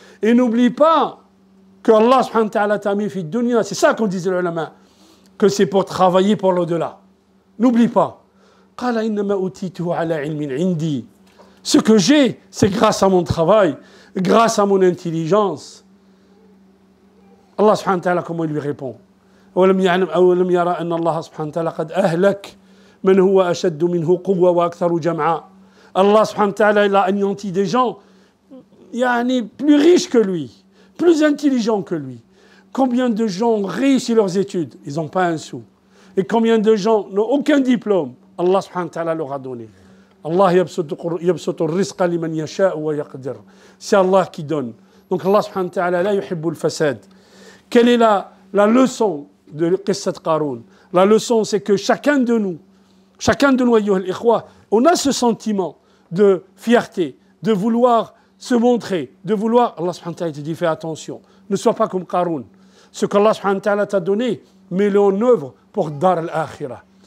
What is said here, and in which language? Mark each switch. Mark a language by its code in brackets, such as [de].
[fr] Et n'oublie pas que Allah subhanahu wa ta'ala t'a mis fi dunya. C'est ça qu'on disait les ulama, que c'est pour travailler pour l'au-delà. N'oublie pas. [ar] Qala innama utituhu ala ilmin indi. [fr] Ce que j'ai, c'est grâce à mon travail, grâce à mon intelligence. Allah subhanahu wa ta'ala, comment il lui répond? [ar] ولم يعلم أو لم يرى أن الله سبحانه وتعالى قد أهلك من هو أشد منه قوة وأكثر جمعا. الله سبحانه وتعالى لا أنيانتي [fr] des gens يعني plus riches que lui, plus intelligents que lui. Combien de gens ont réussi leurs études, ils n'ont pas un sou. Et combien de gens n'ont aucun diplôme, Allah [ar] سبحانه وتعالى [fr] leur a donné. [ar] الله يبسط الرزق لمن يشاء ويقدر. [fr] C'est Allah qui donne. Donc Allah [ar] سبحانه وتعالى لا يحب الفساد. [fr] Quelle est la leçon de Qissat Qaroun? La leçon, c'est que chacun de nous, ayyuhal ikhwa, on a ce sentiment de fierté, de vouloir se montrer, de vouloir... Allah subhanahu wa ta'ala te dit, fais attention, ne sois pas comme Qaroun. Ce qu'Allah subhanahu wa ta'ala t'a donné, mets-le en œuvre pour dar al-akhirah.